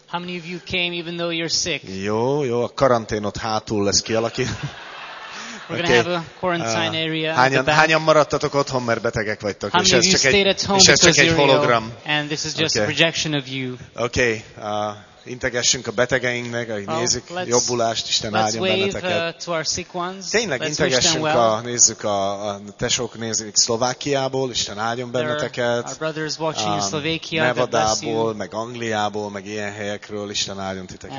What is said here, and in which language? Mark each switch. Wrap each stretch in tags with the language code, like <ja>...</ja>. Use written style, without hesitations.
<en>How many of you came even though you're sick?</en> <hu>Jó, a karanténot hátul lesz kialakít.</hu> <en>We're gonna have a quarantine area.</en> <hu>Hányan maradtatok otthon, mert betegek vagytok?</hu> <en>How many of you stayed at home because you're ill? And this is just a projection of you. Okay.</en> <hu>Integessünk a betegeinknek, akik nézik, jobbulást, Isten áldjon benneteket. Tényleg, integessünk, nézzük a tesók, nézik Szlovákiából, Isten áldjon benneteket. Nevadából, meg Angliából, meg ilyen helyekről, Isten áldjon titeket.</hu>